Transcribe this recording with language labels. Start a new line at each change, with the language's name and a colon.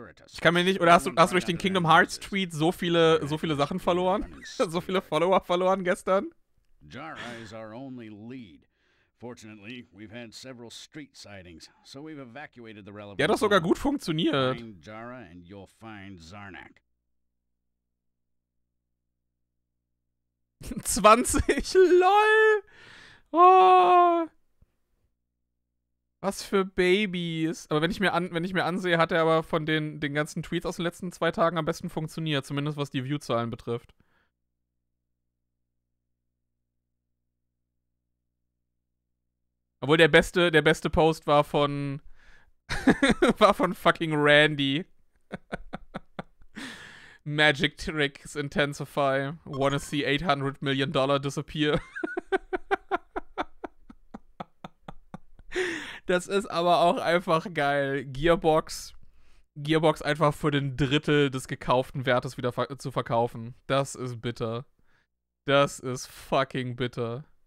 German: Ich kann mir nicht, oder hast du durch den Kingdom Hearts Tweet so viele Sachen verloren? So viele Follower verloren gestern?
English: Jara is our only lead. Fortunately, we've had several street sightings, so we've evacuated the relevant.
German: Ja, das sogar gut funktioniert.
English: Find Jara and you'll find Zarnak. 20, lol. Oh.
German: Was für Babys. Aber wenn ich mir ansehe, hat er aber von den ganzen Tweets aus den letzten zwei Tagen am besten funktioniert, zumindest was die Viewzahlen betrifft. Obwohl der beste Post war von fucking Randy.
English: Magic tricks intensify. Wanna see $800 million disappear.
German: Das ist aber auch einfach geil. Gearbox einfach für den Drittel des gekauften Wertes wieder zu verkaufen. Das ist bitter. Das ist fucking bitter.